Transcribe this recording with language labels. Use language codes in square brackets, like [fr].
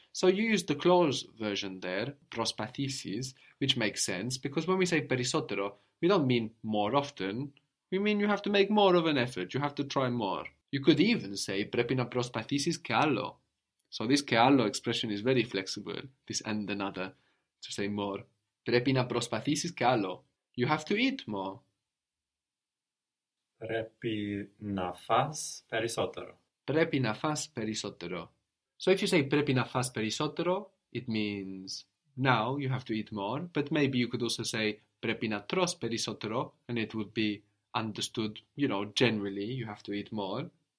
[en] So you use the closed version there, prospathesis, which makes sense because when we say perisotero, we don't mean more often. We mean you have to make more of an effort. You have to try more. You could even say [el] prepina prospathesis kallo. [en] So this kallo expression is very flexible. This and another to say more. [el] Πρέπει να προσπαθήσεις κι άλλο. [en] You have to eat more. [el] Πρέπει να φας περισσότερο. Πρέπει να φας περισσότερο. [en] So if you say [el] πρέπει να φας περισσότερο, [en] it means now you have to eat more. But maybe you could also say [el] πρέπει να τρως περισσότερο, [en] and it would be understood, you know, generally you have to eat more.